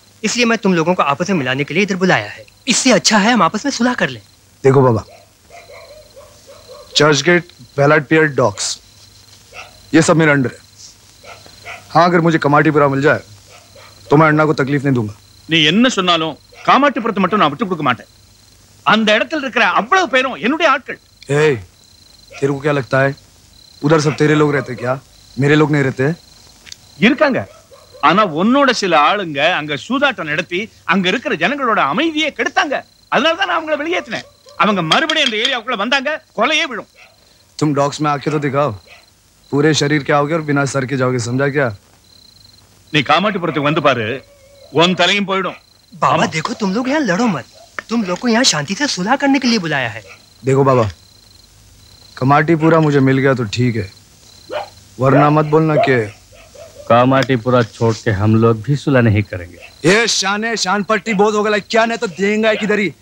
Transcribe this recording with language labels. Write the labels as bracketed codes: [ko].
[hi] इसलिए मैं तुम लोगों को आपस में मिलाने के लिए इधर बुलाया है। इससे अच्छा है हम आपस में सुलह कर लें। देखो बाबा, चर्चगेट, बैलट पियर, डॉक्स, ये सब मेरे अंडर है। हाँ, अगर मुझे कमाटीपुरा मिल जाए तो मैं अन्ना को तकलीफ नहीं दूंगा। नहीं [ta] என்ன சொன்னாலும் காமாட்டிபுரத்தை மட்டும் நான் விட்டு கொடுக்க மாட்டேன். அந்த இடத்துல இருக்கிற அவ்வளவு பேரும் என்னுடைய ஆட்கள். [hi] ஏய், तेरे को क्या लगता है उधर सब तेरे लोग रहते क्या? मेरे लोग नहीं रहते? [ta] இருக்காங்க. ஆனா உன்னோட சில ஆளுங்க அங்க சூதாட்டம் நடத்தி அங்க இருக்கிற ஜனங்களோட அமைதியை கெடுத்தாங்க. அதனால தான் நான் அவங்களை வெளியேத்துனேன். அவங்க மறுபடியும் அந்த ஏரியாவுக்குள்ள வந்தாங்க. கொலையே விழும். [hi] तुम डॉक्स में आके तो दिखाओ, पूरे शरीर के आओगे और बिना सर के जाओगे, समझा क्या? [ta] நீ காமாட்டிபுரத்துக்கு வந்து பாரு, உன் தலையும் போய்டும். [hi] बाबा देखो, तुम लोग यहां लड़ो मत, तुम लोग को यहां शांति से सुलह करने के लिए बुलाया है। देखो बाबा, कमाटीपुरा मुझे मिल गया तो ठीक है, वरना मत बोलना कि कमाटीपुरा छोड़ के हम लोग भी सुलह नहीं करेंगे। ये शान है, शान पट्टी बहुत होगा, क्या नहीं तो देंगे एक इधर ही।